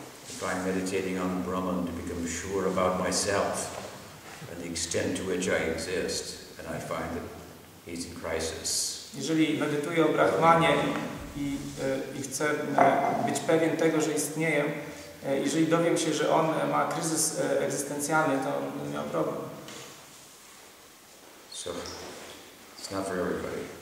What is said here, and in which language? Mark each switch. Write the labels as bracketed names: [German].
[English] If I'm meditating on Brahman to become sure about myself and the extent to which I exist, and I find that he's in crisis. [Polish] Jeżeli medytuję o Brahmanie i chcę być pewien tego, że istnieję, jeżeli dowiem się, że on ma kryzys egzystencjalny, to będę miał problem. [English] So, it's not for everybody.